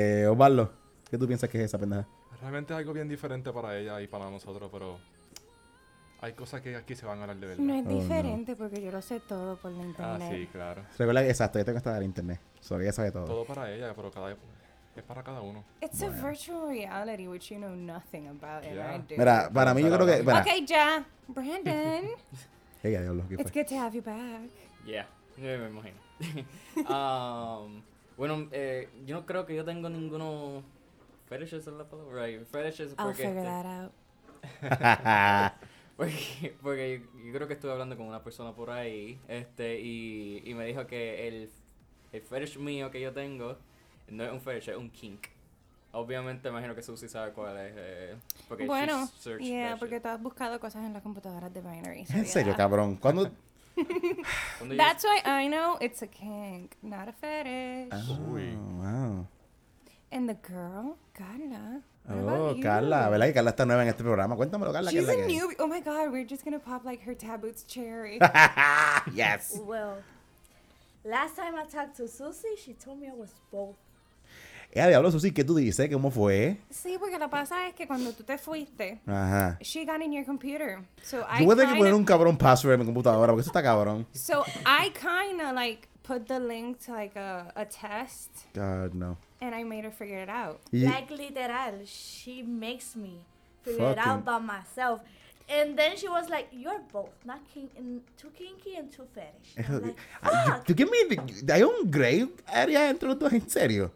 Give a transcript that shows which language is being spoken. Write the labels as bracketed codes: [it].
[es] Osvaldo, ¿qué tú piensas que es esa pendeja? Realmente es algo bien diferente para ella y para nosotros, pero hay cosas que aquí se van a hablar de verdad. No es diferente, porque yo lo sé todo por la internet. Ah, sí, claro. Recuerda que, exacto, yo tengo que estar en internet. So, ella sabe todo. Todo para ella, pero cada es para cada uno. [en] It's [es] bueno. [en] A virtual reality which you know nothing about, yeah. And I do. [es] Mira, para mí yo creo que... Para. Ok, ya. Brandon. Ella, hey, Dios, ¿qué fue? [en] It's good to have you back. [es] Yeah, me imagino. Bueno, yo no creo que yo tengo ninguno... Fetishes en la palabra. [en] Right, [es] fetishes porque... [en] I'll figure that out. [es] Porque yo creo que estuve hablando con una persona por ahí, y me dijo que el fetish mío que yo tengo no es un fetish, es un kink. Obviamente imagino que Susie sabe cuál es, porque bueno, [en] yeah, [es] porque tú has buscado cosas en las computadoras de Binary. So ¿en serio, [en] yeah, [es] cabrón? ¿Cuándo? [en] That's why I know it's a kink, not a fetish. Oh, wow. And the girl, Carla. [es] Oh, Carla, ¿verdad que Carla está nueva en este programa? Cuéntamelo, Carla. [en] She's a newbie. Oh my God, we're just gonna pop like her taboots cherry. Yes. Well, last time I talked to Susie, she told me I was both. [es] Ella diablo, Susie, ¿qué tú dices? ¿Cómo fue? Sí, porque lo pasa es que cuando tú te fuiste, ajá, [en] she got in your computer. So [es] yo voy a tener que poner un cabrón password en mi computadora, porque eso está cabrón. [en] So I kind of like put the link to like a test. God, no. And I made her figure it out. Yeah. Like, literal, she makes me figure it out by myself. And then she was like, you're both not too kinky and too fetish. I'm like, fuck! [es] ¿Hay un [en] gray area [es] entre los dos? ¿En serio?